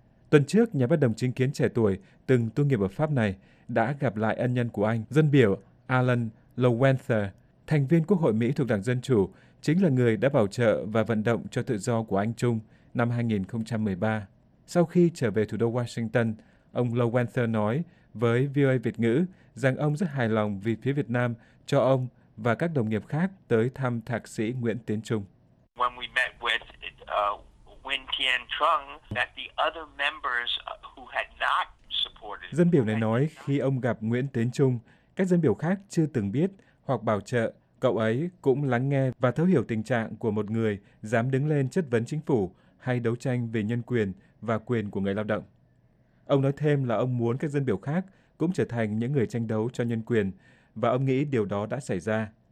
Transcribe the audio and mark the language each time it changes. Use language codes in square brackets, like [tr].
[vi] Tuần trước, nhà bất đồng chính kiến trẻ tuổi từng tu nghiệp ở Pháp này đã gặp lại ân nhân của anh, dân biểu Alan Lowenther, thành viên Quốc hội Mỹ thuộc Đảng Dân Chủ, chính là người đã bảo trợ và vận động cho tự do của anh Trung năm 2013. Sau khi trở về thủ đô Washington, ông Lowenther nói với VOA Việt ngữ rằng ông rất hài lòng vì phía Việt Nam cho ông và các đồng nghiệp khác tới thăm thạc sĩ Nguyễn Tiến Trung. [en] When we met with Nguyễn Tiến Trung, that the other members who had not supported... [vi] Dân biểu này nói khi ông gặp Nguyễn Tiến Trung, các dân biểu khác chưa từng biết hoặc bảo trợ, cậu ấy cũng lắng nghe và thấu hiểu tình trạng của một người dám đứng lên chất vấn chính phủ hay đấu tranh về nhân quyền và quyền của người lao động. Ông nói thêm là ông muốn các dân biểu khác cũng trở thành những người tranh đấu cho nhân quyền, và ông nghĩ điều đó đã xảy ra.